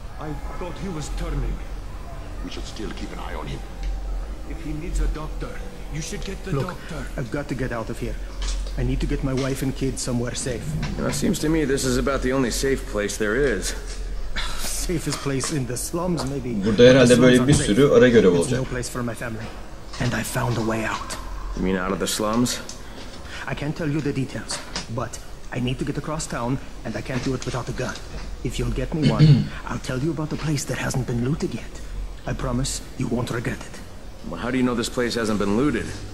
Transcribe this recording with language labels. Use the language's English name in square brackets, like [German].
[English] I thought he was turning. We should still keep an eye on him. If he needs a doctor, you should get the doctor. Look, I've got to get out of here. I need to get my wife and kids somewhere safe. Now, it seems to me this is about the only safe place there is. Safest place in the slums, maybe. [Turkish] Burada herhalde böyle bir sürü ara görev olacak. [English] No place for my family. And I found a way out. You mean out of the slums? I can't tell you the details, but I need to get across town, and I can't do it without a gun. If you'll get me one, I'll tell you about the place that hasn't been looted yet. I promise you won't regret it. Well, how do you know this place hasn't been looted?